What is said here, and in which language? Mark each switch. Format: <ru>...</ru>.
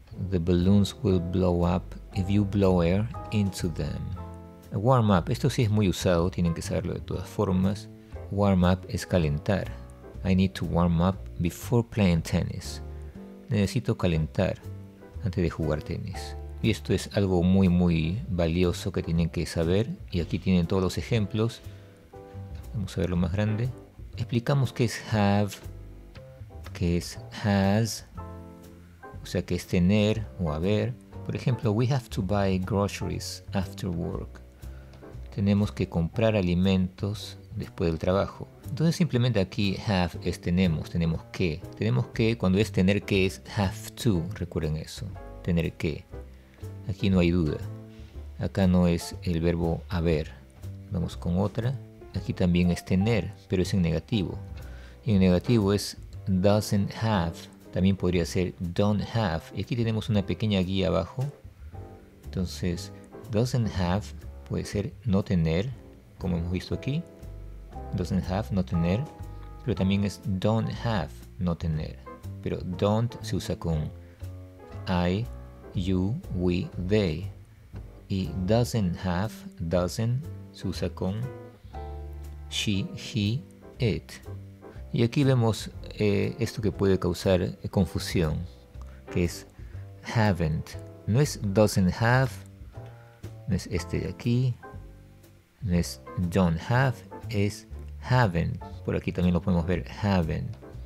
<en>The balloons will blow up if you blow air into them.</en> <es>Warm up, esto sí es muy usado, tienen que saberlo de todas formas. Warm up es calentar.</es> <en>I need to warm up before playing tennis.</en> <es>Necesito calentar antes de jugar tenis. Y esto es algo muy muy valioso que tienen que saber. Y aquí tienen todos los ejemplos. Vamos a verlo más grande. Explicamos qué es have, qué es has, o sea, qué es tener o haber. Por ejemplo,</es> <en>we have to buy groceries after work.</en> <es>Tenemos que comprar alimentos después del trabajo. Entonces simplemente aquí have es tenemos, tenemos que. Tenemos que, cuando es tener que, es have to, recuerden eso. Tener que. Aquí no hay duda. Acá no es el verbo haber. Vamos con otra. Aquí también es tener, pero es en negativo. Y en negativo es doesn't have. También podría ser don't have. Y aquí tenemos una pequeña guía abajo. Entonces, doesn't have puede ser no tener, como hemos visto aquí. Doesn't have, no tener. Pero también es don't have, no tener. Pero don't se usa con I, you, we, they. Y doesn't have, doesn't, se usa con she, he, it. Y aquí vemos esto que puede causar confusión, que es haven't. No es doesn't have, no es este de aquí, no es don't have, es haven't. Por aquí también lo podemos ver, haven't.</es>